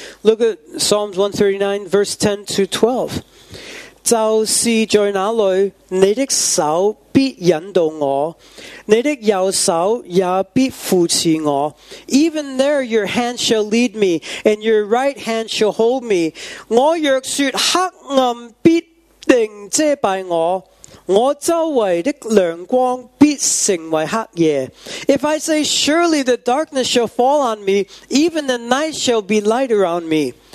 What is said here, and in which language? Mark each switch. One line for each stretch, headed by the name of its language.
English: look at Psalms 139, verse 10 to 12.
Chinese: 就是在那里,
English: even there your hand shall lead me, and your right hand shall hold me.
Chinese: 我若说黑暗必 定遮蔽我,
English: if I say, surely the darkness shall fall on me, even the night shall be light around me.